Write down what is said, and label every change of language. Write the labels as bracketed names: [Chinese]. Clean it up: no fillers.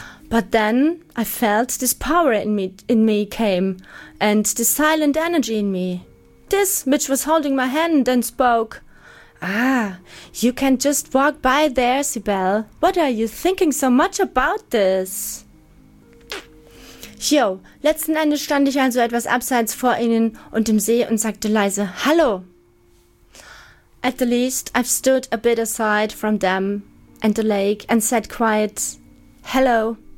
[English] But then I felt this power in me came and this silent energy in me. This which was holding my hand and spoke. Ah, you can just walk by there, Sibel. What are you thinking so much about this? [German] Jo, letzten Endes stand ich also etwas abseits vor ihnen und dem See und sagte leise, Hallo. [English] At the least, I've stood a bit aside from them and the lake and said quiet, Hello.